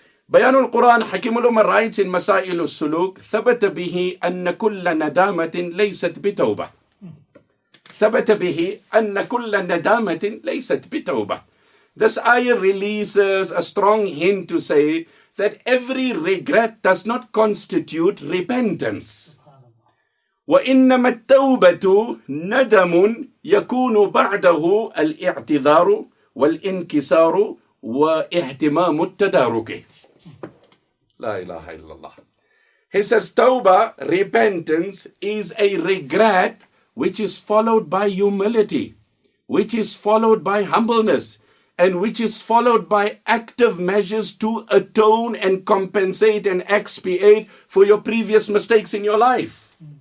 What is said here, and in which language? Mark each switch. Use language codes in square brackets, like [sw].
[ar] بيان القرآن حكيم الأمر [en] writes in [ar] مسائل السلوك ثبت به أن كل ندامة ليست بتوبة ثبت به أن كل ندامة ليست بتوبة. [en] This ayah releases a strong hint to say that every regret does not constitute repentance. [ar] وإنما التوبة ندم يكون بعده الاعتذار والانكسار واهتمام التدارك. La ilaha illallah. [en] He says, Tawbah, repentance, is a regret which is followed by humility, which is followed by humbleness, and which is followed by active measures to atone and compensate and expiate for your previous mistakes in your life.